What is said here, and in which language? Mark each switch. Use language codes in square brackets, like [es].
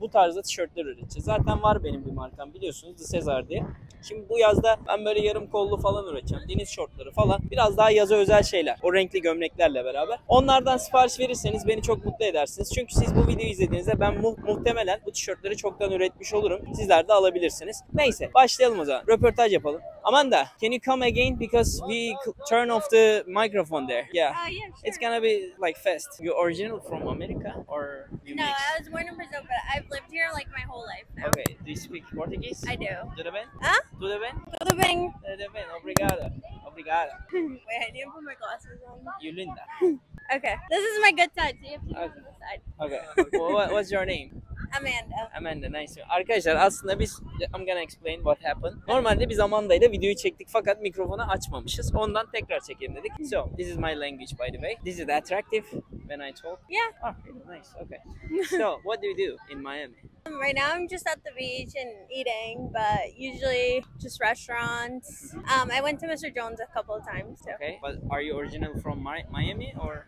[tr] Bu tarzda tişörtler üreteceğiz. Zaten var benim bir markam, biliyorsunuz, Thesezar diye. Şimdi bu yazda ben böyle yarım kollu falan üreteceğim. Deniz şortları falan. Biraz daha yaza özel şeyler. O renkli gömleklerle beraber. Onlardan sipariş verirseniz beni çok mutlu edersiniz. Çünkü siz bu videoyu izlediğinizde ben muhtemelen bu tişörtleri çoktan üretmiş olurum. Sizler de alabilirsiniz. Neyse, başlayalım o zaman. Röportaj yapalım. [en] Amanda, can you come again because we turn off the microphone there? Yeah. Sure. It's gonna be like fast. You original from America or you No, mix? I was born in Brazil, but I've lived here like my whole life now. Okay. Do you speak Portuguese? I do. [pt] Tudo bem? Huh? Tudo bem? Tudo bem. Tudo bem. Obrigada. Obrigada. [en] Wait, I didn't put my glasses on. You linda. Okay. This is my good side. So you have to go on the side. Okay. Well, what's your name? Amanda. Amanda, nice. [tr] Arkadaşlar aslında biz, [en] I'm gonna explain what happened. [tr] Normalde biz Amanda'yla videoyu çektik fakat mikrofonu açmamışız. Ondan tekrar çekelim dedik. [en] So, this is my language by the way. This is attractive when I talk. Yeah. Oh, nice, okay. So, what do you do in Miami? Right now I'm just at the beach and eating, but usually just restaurants. Mm-hmm. I went to Mr. Jones a couple of times. So. Okay, but are you original from Miami or?